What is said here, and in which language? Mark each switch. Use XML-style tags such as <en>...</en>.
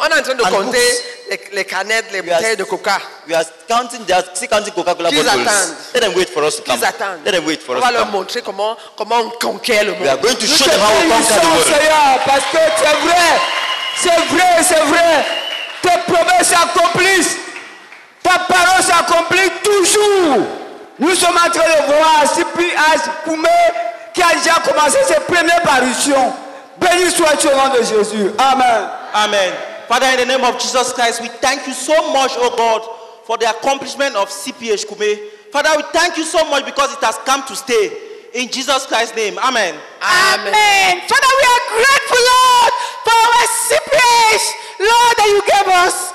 <fr>On est en train de compter les canettes, les bouteilles de Coca.</fr> <en>We are counting, they are still counting Coca-Cola bottles.</en> <fr>Qu'ils attendent.</fr> <en>Let them wait for us to come.</en> <fr>Qu'ils attendent.</fr> <en>Let them wait for</en> <fr>on</fr> <en>us</en> <fr>va</fr> <en>to</en> <fr>leur</fr> <en>come.</en> <fr>Montrer comment on conquiert le monde.</fr> <en>We are going to show them how we conquer the world.</en> <fr>Seigneur, parce que c'est vrai. C'est vrai, c'est vrai. Tes promesses s'accomplissent. Ta parole s'accomplit toujours. Nous sommes en train de voir CPH Koume qui a déjà commencé ses premières parutions. Béni sois-tu au nom de Jésus. Amen. Amen.</fr> <en>Father, in the name of Jesus Christ, we thank you so much, oh God, for the accomplishment of CPH Koume. Father, we thank you so much because it has come to stay. In Jesus Christ's name. Amen. Amen. Amen. Father, we are grateful, Lord, for our CPH, Lord, that you gave us.</en>